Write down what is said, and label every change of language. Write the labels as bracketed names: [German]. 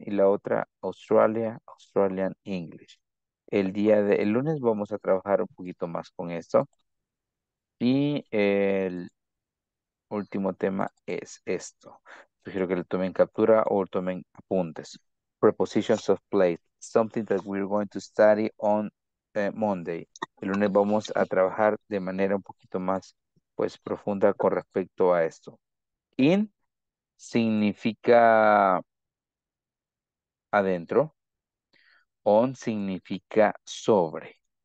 [Spanish] Y la otra, Australia, Australian, English. El lunes vamos a trabajar un poquito más con esto. Y el último tema es esto. Sugiero que le tomen captura o tomen apuntes. [English] Prepositions of place, something that we're going to study on Monday. [Spanish] El lunes vamos a trabajar de manera un poquito más, pues, profunda con respecto a esto. In significa adentro. On significa sobre.